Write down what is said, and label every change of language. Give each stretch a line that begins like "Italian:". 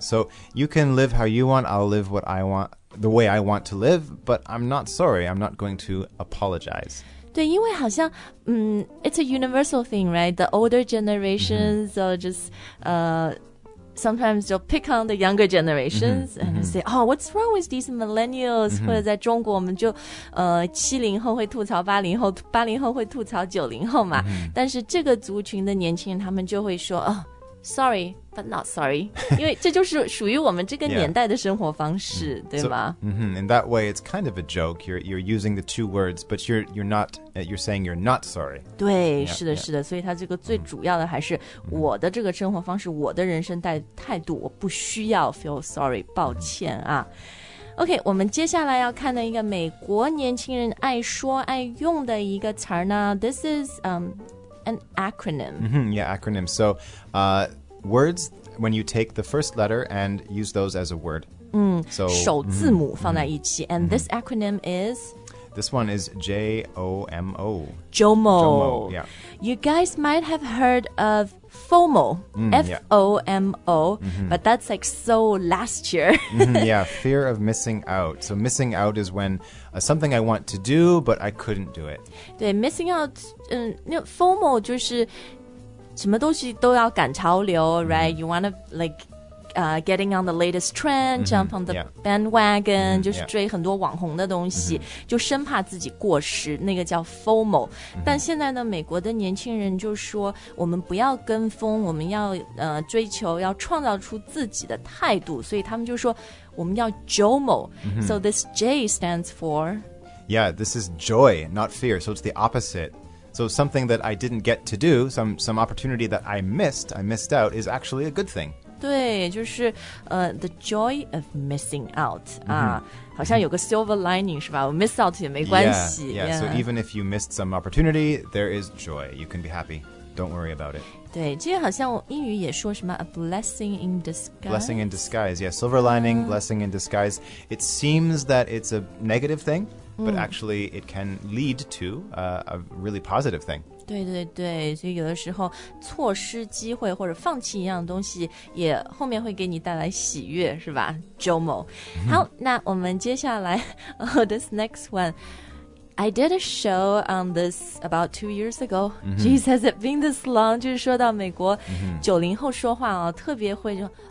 English: So you can live how you want. I'll live what I want, the way I want to live. But I'm not sorry. I'm not going to apologize.
Chinese: 对，因为好像，
English: it's a universal thing, right? The older generations are just, sometimes you'll pick on the younger generations and say, oh, what's wrong with these millennials?
Chinese: 或者在中国我们就70后会吐槽80后80后会吐槽90后嘛但是这个族群的年轻人他们就会说、
English: oh, sorry, but not sorry.
Chinese: 因为这就是属于我们这个年代的生活方式 对吗
English: so, In that way, it's kind of a joke. You're using the two words, but you're not, you're saying you're not sorry. 对 yeah, 是的、yeah.
Chinese: 是的所以它这个最主要的还是我的这个生活方式、我的人生态度我不需要
English: feel sorry,
Chinese: 抱歉啊。 OK, 我们接下来要看的一个美国年轻人爱说爱用的一个词呢
English: This is, An acronym. Mm-hmm, yeah, acronym. So, words, when you take the first letter and use those as a word. So,
Chinese: 首字母放在一起.
English: And this acronym is? This one is J-O-M-O. JOMO. JOMO, yeah. You guys might have heard of FOMO, F-O-M-O, mm-hmm. but that's like so last year. mm-hmm, yeah, fear of missing out. So missing out is when something I want to do, but I couldn't do it.
Chinese: 对, missing out, FOMO 就是什么东西都要赶潮流, mm-hmm.
English: right? You want to like... getting on the latest trend, mm-hmm, jump on the yeah. bandwagon, mm-hmm,
Chinese: 就是追很多网红的东西、
English: mm-hmm.
Chinese: 就生怕自己过时那个叫 FOMO、mm-hmm. 但现在呢美国的年轻人就说我们不要跟风我们要、追求要创造出自己的态度所以他们就说我们要 JOMO、mm-hmm.
English: So this J stands for Yeah, this is joy, not fear So it's the oppositeSo something that I didn't get to do, some opportunity that I missed out, is actually a good thing.
Chinese: 对,就是、
English: the joy of missing out.、Mm-hmm.
Chinese: 好像有个 silver lining, 是吧 ?
English: Miss out
Chinese: 也没关系。
English: Yeah, yeah. yeah, so even if you missed some opportunity, there is joy. You can be happy. Don't worry about it.
Chinese: 对,这好像英语也说什么
English: a blessing in disguise. Blessing in disguise, yeah. Silver lining,、blessing in disguise. It seems that it's a negative thing. But actually, it can lead to、a really positive thing.
Chinese: 对对对，所以有的时候错失机会或者放弃一样东西，也后面会给你带来喜悦，是吧 ？JOMO. 好，那我们接下来、
English: this next one. I did a show on this about 2 years ago. Geez, has it been this long?
Chinese: 就是说到美国90后说话哦，特别会说。